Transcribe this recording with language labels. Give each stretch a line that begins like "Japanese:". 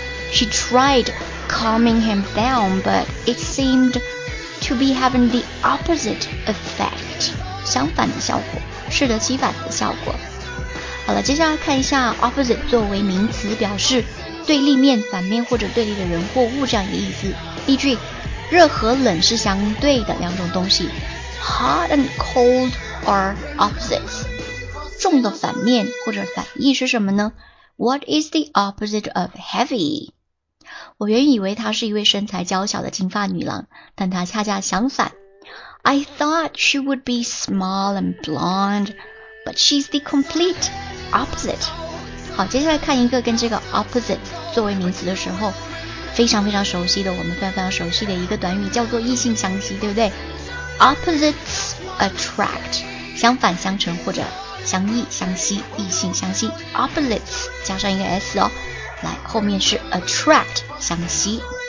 English: She tried calming him down, but it seemed to be having the opposite effect.
Chinese: 相反的效果，适得其反的效果。好了，接下来看一下 opposite 作为名词表示对立面、反面或者对立的人或物这样一个意思。例句，热和冷是相对的两种东西。
English: Hot and cold are opposites.
Chinese: 重的反面或者反义是什么呢？
English: What is the opposite of heavy?
Chinese: 我原以为她是一位身材娇小的金发女郎，但她恰恰相反。
English: I thought she would be small and blonde, but she's the complete opposite.
Chinese: 好，接下来看一个跟这个 opposite 作为名词的时候非常非常熟悉的，我们非常非常熟悉的一个短语，叫做异性相吸，对不对？
English: Opposites attract，
Chinese: 相反相成或者相异相吸，异性相吸。 Opposites 加上一个 s 哦，来，后面是 attract 相吸。